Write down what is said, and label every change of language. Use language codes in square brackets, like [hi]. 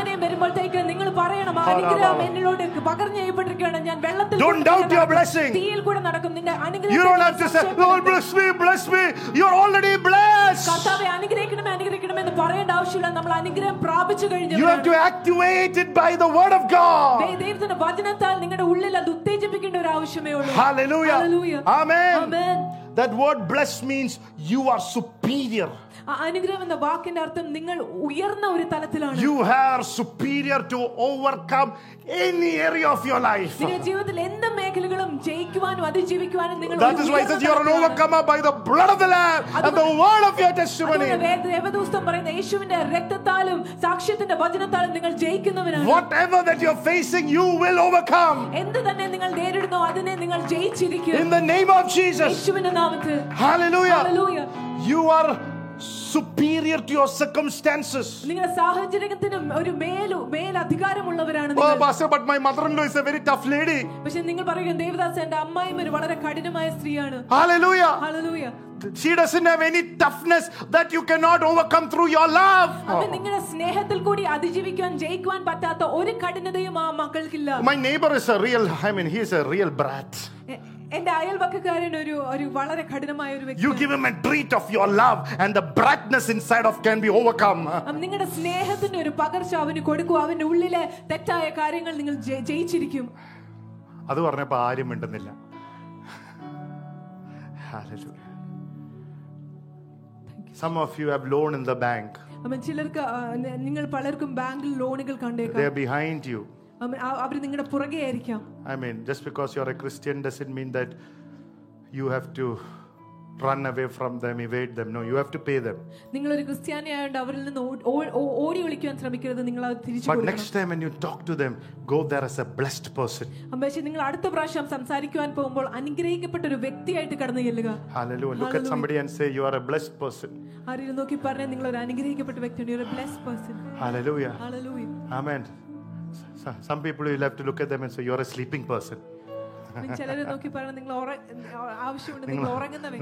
[ml] നിങ്ങൾ പറയണം അനുഗ്രഹം എന്നോട് പകർന്നെയ്യപ്പെട്ടിരിക്കുകയാണ്. ഞാൻ വെള്ളത്തിൽ [en] Don't doubt your blessing. [ml] തീയിൽ കൂടെ നടക്കും നിന്റെ അനുഗ്രഹം. [en] You don't have to say, Lord, bless me, bless me. You're already blessed. [ml] കർത്താവേ അനുഗ്രഹിക്കണമേ അനുഗ്രഹിക്കണമേ എന്ന് പറയേണ്ട ആവശ്യമില്ല. നമ്മൾ അനുഗ്രഹം പ്രാപിച്ചു കഴിഞ്ഞു. [en] You have to activate it by the word of God. [ml] ദൈവത്തിന്റെ വചനത്താൽ നിങ്ങളുടെ ഉള്ളിൽ അത് ഉത്തേജിപ്പിക്കേണ്ട ഒരു ആവശ്യമേ ഉള്ളൂ. [en] Hallelujah. Hallelujah. Amen. Amen. That word bless means you are superior. [ml] അനുഗ്രഹം എന്ന വാക്കിന്റെ അർത്ഥം നിങ്ങൾ ഉയർന്ന ഒരു തലത്തിലാണ്. [en] You are superior to overcome any area of your life. [ml] നിങ്ങളുടെ ജീവിതത്തിൽ എന്ത് മേഖലകളും ജയിക്കുവാനും അതിജീവിക്കുവാനും നിങ്ങൾ ഉയർന്ന തലത്തിലാണ്. [en] That is why it says you are an overcomer by the blood of the lamb and the word of your testimony. [ml] ദൈവദൂതൻ പറയുന്ന യേശുവിന്റെ രക്തത്താലും സാക്ഷ്യത്തിന്റെ വചനത്താലും നിങ്ങൾ ജയിക്കുന്നവനാണ്. [en] Whatever that you are facing, you will overcome. [ml] എന്ത് തന്നെ നിങ്ങൾ നേരിടുന്നു അതിനെ നിങ്ങൾ ജയിച്ചിരിക്കും. [en] In the name of Jesus. [ml] യേശുവിന്റെ നാമത്തിൽ. [en] Hallelujah. Hallelujah. You are superior to your circumstances. [ml] നിങ്ങളുടെ സാഹചര്യത്തിനും ഒരു മേലധികാരമുള്ളവരാണ് നിങ്ങൾ. [en] Oh, pastor, but my mother-in-law is a very tough lady. [ml] പക്ഷേ നിങ്ങൾ പറയുകയും ദേവദാസ് എന്റെ അമ്മായി ഒരു വളരെ കഠിനമായ സ്ത്രീയാണ്. [en] Hallelujah. Hallelujah. She doesn't have any toughness that you cannot overcome through your love. [ml] നിങ്ങളുടെ സ്നേഹത്തിൽ കൂടി അതിജീവിക്കാൻ ജയിക്കാൻ പറ്റാത്ത ഒരു കഠിനതയും ആ മക്കൾക്കില്ല. [en] My neighbor is a real, he is a real brat. [ml] എന്റെ അയൽവക്കാരൻ ഒരു ഒരു വളരെ കഠിനമായ ഒരു വ്യക്തി. [en] You give him a treat of your love and the brightness inside of can be overcome. [ml] നിങ്ങളുടെ സ്നേഹത്തിന് ഒരു പകർച്ച അവന് കൊടുക്കുക. അവന്റെ ഉള്ളിലെ തെറ്റായ കാര്യങ്ങൾ നിങ്ങൾ ജയിച്ചിരിക്കും. അത് പറഞ്ഞപ്പോ ആരും മിണ്ടുന്നില്ല. [en] Some of you have loan in the bank. [ml] ചിലർക്ക് നിങ്ങൾ പലർക്കും ബാങ്കിൽ ലോണുകൾ കണ്ടേക്കാം. [en] They are behind you. [ml] അവര് നിങ്ങളുടെ പുറകെ ആയിരിക്കാം. [en] I mean, just because you are a Christian doesn't mean that you have to run away from them, evade them. No, you have to pay them. [ml] നിങ്ങൾ ഒരു ക്രിസ്ത്യാനി ആയതുകൊണ്ട് അവരിൽ നിന്ന് ഓടി ഒളിക്കാൻ ശ്രമിക്കരുത്. നിങ്ങൾ അത് തിരിച്ചു കൊടുക്കണം. [en] But next time when you talk to them, go there as a blessed person. [ml] അമ്മേ, നിങ്ങൾ അടുത്ത പ്രാവശ്യം സംസാരിക്കാൻ പോകുമ്പോൾ അനുഗ്രഹിക്കപ്പെട്ട ഒരു വ്യക്തിയായിട്ട് കടന്നു ചെല്ലുക. [en] Hallelujah. Look at somebody and say you are a blessed person. [ml] ആരെങ്കിലും നോക്കി പറഞ്ഞു നിങ്ങൾ ഒരു അനുഗ്രഹിക്കപ്പെട്ട വ്യക്തിയാണ്. [en] You are a blessed person. Hallelujah. Hallelujah. Amen. Some people you have to look at them and say you're a sleeping person. [ml] നിങ്ങൾ ചിലരെ നോക്കി പറഞ്ഞാൽ നിങ്ങൾ ആവശ്യമുണ്ട്, നിങ്ങൾ ഉറങ്ങുന്ന വ്യക്തി.